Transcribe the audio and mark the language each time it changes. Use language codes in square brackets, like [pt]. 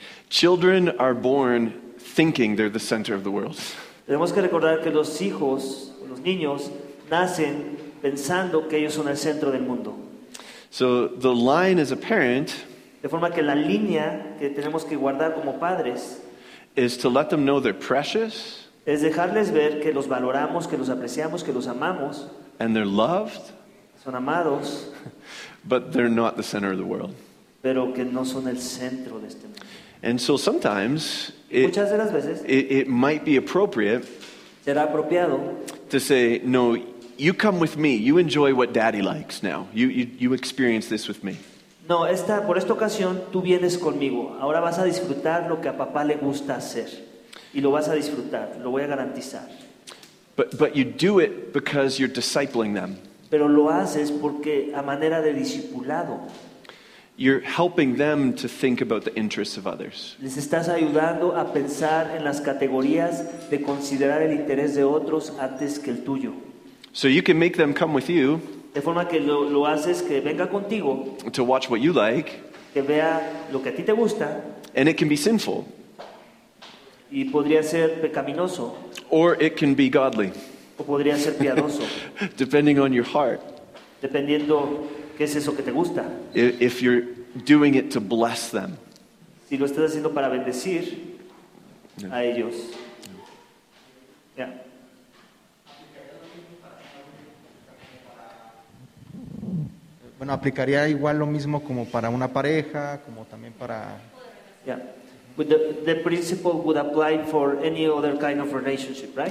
[en] Children are born thinking they're the center of the world. [es] Tenemos que recordar que los hijos, los niños, nacen pensando que ellos son el centro del mundo. [en] So the line as a parent, [es] de forma que la línea que tenemos que guardar como padres, [en] is to let them know they're precious, [es] es dejarles ver que los valoramos, que los apreciamos, que los amamos, [en] and they're loved, [es] son amados, [en] but they're not the center of the world. [es] Pero que no son el centro de este mundo. [en] And so sometimes [es] muchas de las veces, [en] it might be appropriate, [es] será apropiado, [en] to say no, you come with me, you enjoy what daddy likes now, you experience this with me. [es] No, por esta ocasión tú vienes conmigo, ahora vas a disfrutar lo que a papá le gusta hacer y lo vas a disfrutar, lo voy a garantizar. [en] But you do it because you're discipling them. [es] Pero lo haces porque a manera de discipulado. [en] You're helping them to think about the interests of others. [es] Les estás ayudando a pensar en las categorías de considerar el interés de otros antes que el tuyo. [en] So you can make them come with you. [es] De forma que lo haces que venga contigo. [en] To watch what you like. [es] Que vea lo que a ti te gusta. [en] And it can be sinful. [es] Y podría ser pecaminoso. [en] Or it can be godly. [es] O podría ser piadoso. [en] Depending on your heart. [es] Dependiendo qué es eso que te gusta. [en] If you're doing it to bless them. [es] Si lo estás haciendo para bendecir a ellos. [en] Yeah. [es] Bueno, aplicaría igual lo mismo como para una pareja, como también para. [en] Yeah, but the principle would apply for any other kind of relationship, right?